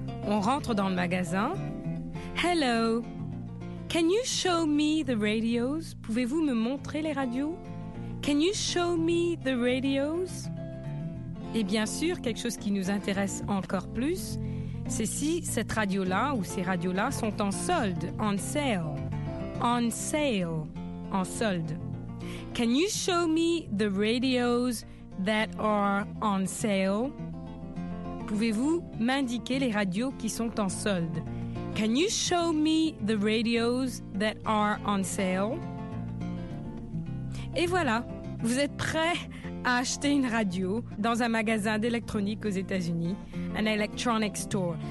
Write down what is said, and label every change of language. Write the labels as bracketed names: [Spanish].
[French] On rentre dans le magasin. [English] Hello, can you show me the radios? [French] Pouvez-vous me montrer les radios? [English] Can you show me the radios? [French] Et bien sûr, quelque chose qui nous intéresse encore plus, c'est si cette radio-là ou ces radios-là sont en solde, [English] on sale. On sale, [French] en solde. [English] Can you show me the radios that are on sale? [French] Pouvez-vous m'indiquer les radios qui sont en solde? [English] Can you show me the radios that are on sale? [French] Et voilà, vous êtes prêts à acheter une radio dans un magasin d'électronique aux États-Unis, [English] an electronic store.